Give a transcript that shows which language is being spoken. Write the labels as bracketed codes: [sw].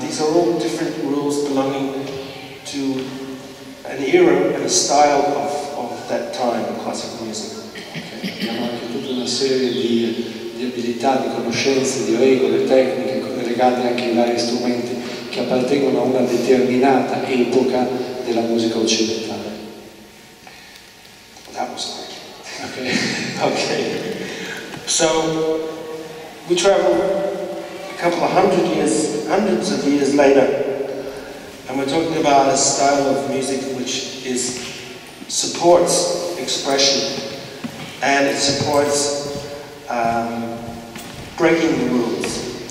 [en] These are all different rules belonging to an era and a style of that time, classical music. [it] Di abilità, di conoscenze, di regole, tecniche legate anche ai vari strumenti che appartengono a una determinata epoca della musica occidentale. [en] That was great. Okay. So we travel a couple of hundreds of years later, and we're talking about a style of music which supports expression and it supports breaking the rules.